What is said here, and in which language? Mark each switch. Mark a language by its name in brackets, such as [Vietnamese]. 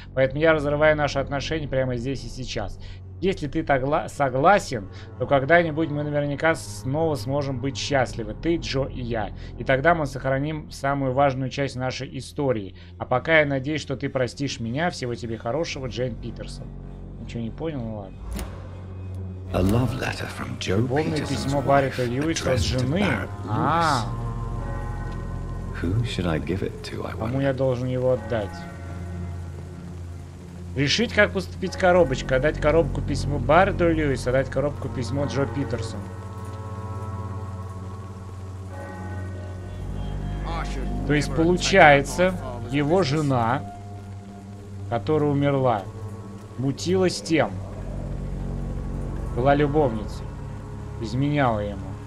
[Russian] Поэтому я разрываю наши отношения прямо здесь и сейчас. Если ты согласен, то когда-нибудь мы наверняка снова сможем быть счастливы. Ты, Джо и я. И тогда мы сохраним самую важную часть нашей истории. А пока я надеюсь, что ты простишь меня. Всего тебе хорошего, Джейн Питерсон. Ничего не понял, ну ладно. [English] A love letter from Joe Peterson's wife, addressed to Barrett Lewis. Who should I give it to, I wonder? [Russian] Кому я должен его отдать? Решить, как поступить с коробочкой. Отдать коробку письму Барду Льюису, отдать коробку письмо Джо Питерсону. То есть, получается, его жена, которая умерла, мутилась тем. Была любовницей. Изменяла ему.